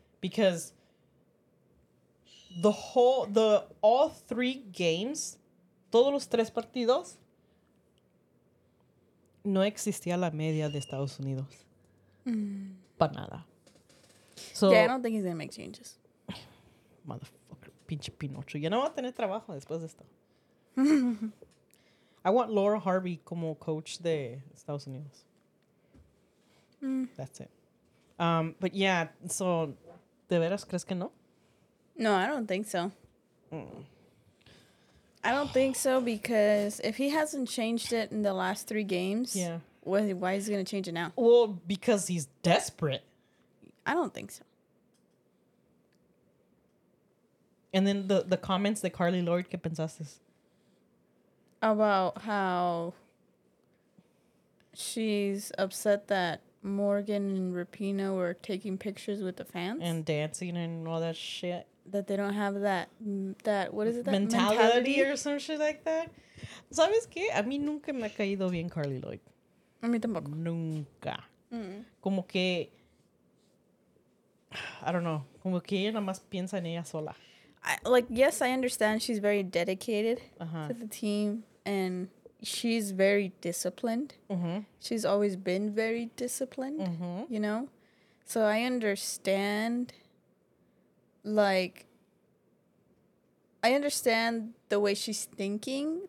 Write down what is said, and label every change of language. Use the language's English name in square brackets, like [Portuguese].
[English] Because all three games, [Spanish] todos los tres partidos, no existía la media de Estados Unidos. Mm. Para nada. [English] So, yeah, I don't think he's going to make changes. Motherfucker, [Spanish] pinche Pinocho. Ya no va a tener trabajo después de esto. [English] I want Laura Harvey [Spanish] como coach de Estados Unidos. Mm. [English] That's it. But yeah, so, [Spanish] ¿de veras crees que no? [English] No, I don't think so. Mm. I don't think so because if he hasn't changed it in the last three games, yeah, why is he going to change it now? Well, because he's desperate. I don't think so. And then the comments that Carly Lloyd kept in us is about how she's upset that Morgan and Rapinoe were taking pictures with the fans. And dancing and all that shit. That they don't have that what is it? That mentality or some shit like that. [Spanish] ¿Sabes qué? A mí nunca me ha caído bien Carly Lloyd. A mí tampoco. Nunca. Mm-mm. Como que, [English] I don't know. [Spanish] Como que ella nada más piensa en ella sola. [English] Yes, I understand she's very dedicated to the team. And she's very disciplined. Mm-hmm. She's always been very disciplined, mm-hmm. you know? So I understand, like, I understand the way she's thinking.